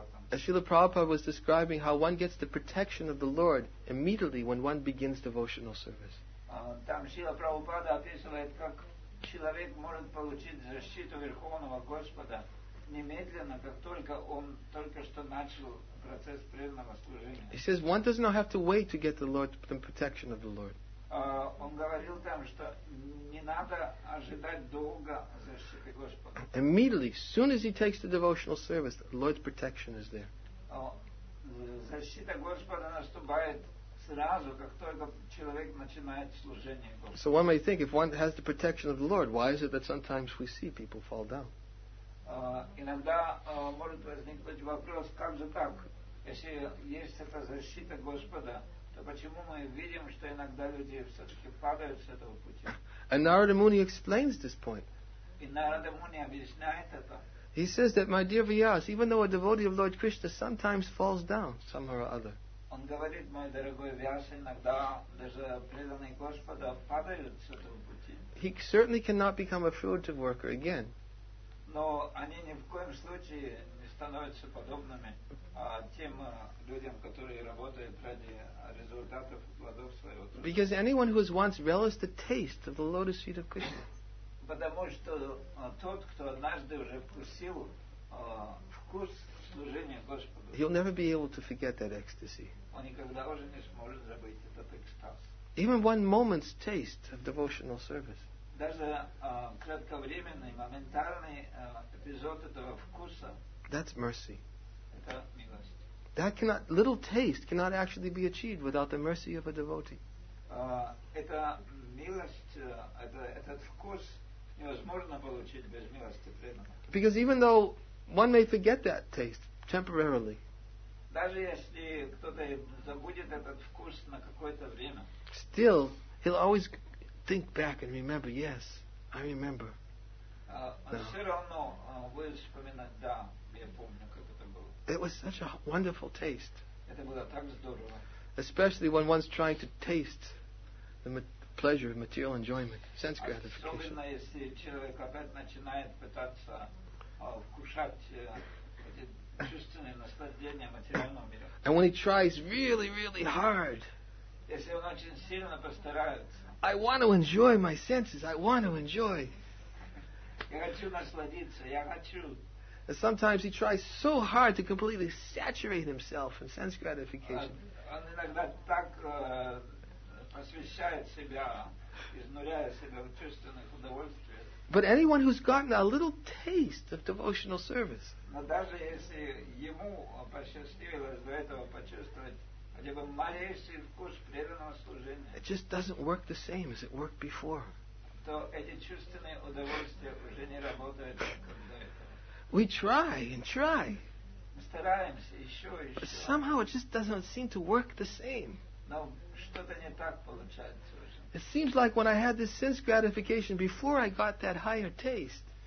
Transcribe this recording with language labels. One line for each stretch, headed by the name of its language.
English: As Srila Prabhupada was describing how one gets the protection of the Lord immediately when one begins devotional service.
Russian: Там Шрила Прабхупада описывает, как человек может получить защиту Верховного Господа немедленно, как только он только что начал процесс преданного служения.
English: He says one does not have to wait to get the Lord, the protection of the Lord.
Russian: Он говорил там, что не надо ожидать долго защиты Господа.
English: Immediately, as soon as he takes the devotional service, the Lord's protection is there.
Russian: Защита Господа наступает сразу, как только человек начинает служение Господу.
English: So one may think, if one has the protection of the Lord, why is it that sometimes we see people fall down?
Russian: Иногда может возникнуть вопрос, как же так? Если есть эта защита Господа, то почему мы видим, что иногда люди все-таки падают с этого пути?
English: And Narada Muni explains this point.
Russian: И Нарада Муни объясняет это.
English: He says that, my dear Vyas, even though a devotee of Lord Krishna sometimes falls down, somehow or other.
Russian: Он говорит, мой дорогой Вьяс, иногда даже преданные Господа падают с этого пути.
English: He certainly cannot become a fruitive worker again.
Russian: Но они ни в коем случае не становятся подобными тем людям, которые работают ради результатов плодов своего труда.
English: Because anyone who has once relished the taste of the lotus feet of Krishna.
Russian: Потому что тот, кто однажды уже вкусил вкус служения Господу.
English: He'll never be able to forget that ecstasy.
Russian: Он никогда уже не сможет забыть этот экстаз.
English: Even one moment's taste of devotional service.
Russian: Даже кратковременный, моментальный эпизод этого вкуса.
English: That's mercy.
Russian: Это милость.
English: That cannot, little taste cannot actually be achieved without the mercy of a devotee.
Russian: Это милость, этот вкус невозможно получить без милости преданного.
English: Because even though one may forget that taste temporarily.
Russian: Даже если кто-то забудет этот вкус на какое-то время.
English: Still, he'll always think back and remember, yes, I remember.
Russian: Все равно будет вспоминать, да, я помню, как это было.
English: It was such a wonderful taste.
Russian: Это было так здорово.
English: Especially when one's trying to taste the pleasure of material enjoyment, sense gratification.
Russian: Особенно если человек опять начинает пытаться вкушать эти чувственные наслаждения материального мира.
English: And when he tries really, really hard.
Russian: Если он очень сильно постарается.
English: I want to enjoy my senses. I want to enjoy.
Russian: Я хочу насладиться. Я хочу.
English: And sometimes he tries so hard to completely saturate himself in sense gratification.
Russian: Он иногда так посвящает себя, изнуряя себя в чувственных удовольствиях.
English: But anyone who's gotten a little taste of devotional service.
Russian: Но даже если ему посчастливилось до этого почувствовать хотя бы малейший вкус преданного служения.
English: It just doesn't work the same as it worked before.
Russian: То эти чувственные удовольствия уже не работают, как до.
English: We try and try.
Russian: Мы стараемся еще и еще.
English: But somehow it just doesn't seem to work the same.
Russian: Но что-то не так получается уже.
English: It seems like when I had this sense gratification before I got that higher taste.